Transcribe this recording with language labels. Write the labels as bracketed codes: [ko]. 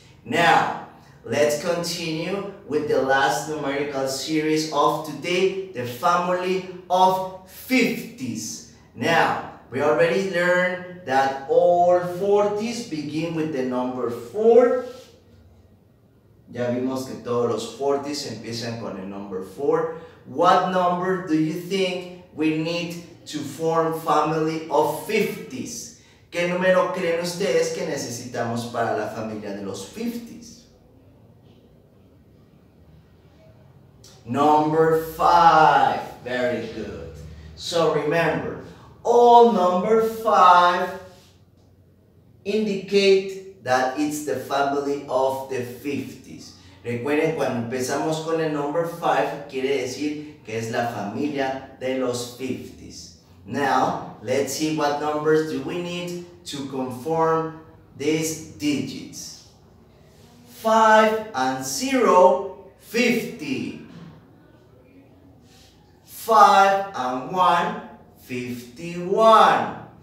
[en] Now, let's continue with the last numerical series of today, the family of 50s. Now, we already learned that all 40s begin with the number 4. [es] Ya vimos que todos los 40s empiezan con el number 4. [en] What number do you think we need to form family of 50s? [es] ¿Qué número creen ustedes que necesitamos para la familia de los 50s? [en] Number 5. Very good. So remember, all number 5 indicate that it's the family of the 50s. [es] Recuerden, cuando empezamos con el number 5, quiere decir que es la familia de los 50s. [en] Now, let's see what numbers do we need to conform these digits. 5 and 0, 50. 5 and 1, 51.